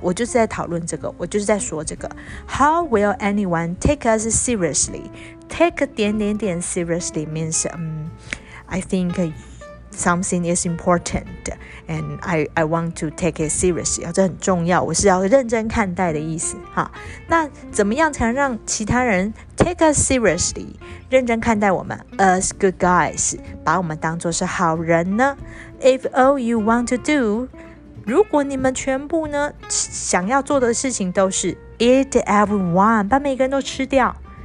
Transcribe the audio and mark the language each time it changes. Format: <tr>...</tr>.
<zh>我就是在讨论这个，我就是在说这个。</zh> <en>How will anyone take us seriously? Take 点点点 seriously means, I think,Something is important, and I want to take it seriously.</en> <zh>这很重要，我是要认真看待的意思。哈，那怎么样才能让其他人</zh> <en>take us seriously,</en> <zh>认真看待我们</zh> <en>as good guys,</en> <zh>把我们当作是好人呢？</zh> <en>If all you want to do,</en> <zh>如果你们全部呢想要做的事情都是</zh> <en>eat everyone,</en> <zh>把每个人都吃掉。</zh>